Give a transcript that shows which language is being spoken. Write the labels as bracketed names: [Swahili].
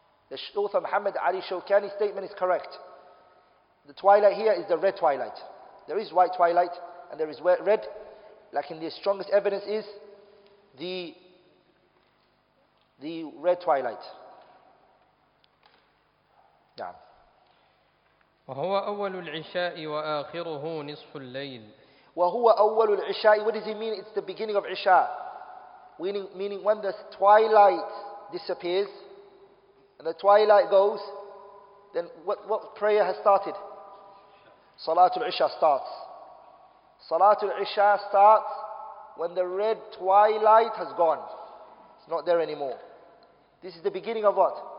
[English] The author Muhammad Ali Shawkani's statement is correct. The twilight here is the red twilight. There is white twilight and there is red. Like in the strongest evidence is the red twilight. [Arabic] وهو أول العشاء وآخره نصف الليل. وهو أول العشاء. [English] What does he mean? It's the beginning of عشاء. Meaning when the twilight disappears and the twilight goes, then what prayer has started? Salatul Isha starts. Salatul Isha starts when the red twilight has gone. It's not there anymore. This is the beginning of what?